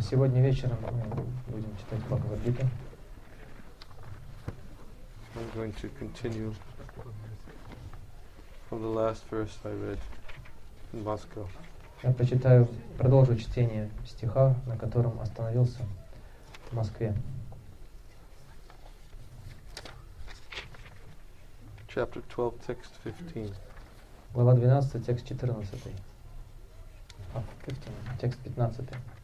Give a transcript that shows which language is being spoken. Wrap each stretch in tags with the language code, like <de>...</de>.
<ru>Сегодня вечером мы будем читать Бхагавад Гиту.</ru> <en>I'm going to continue from the last verse I read in Moscow.</en> <ru>Я прочитаю, продолжу чтение стиха, на котором остановился в Москве.</ru> <en>Chapter 12, text 15.</en> <ru>Глава 12, текст 14. 15, текст 15.</ru>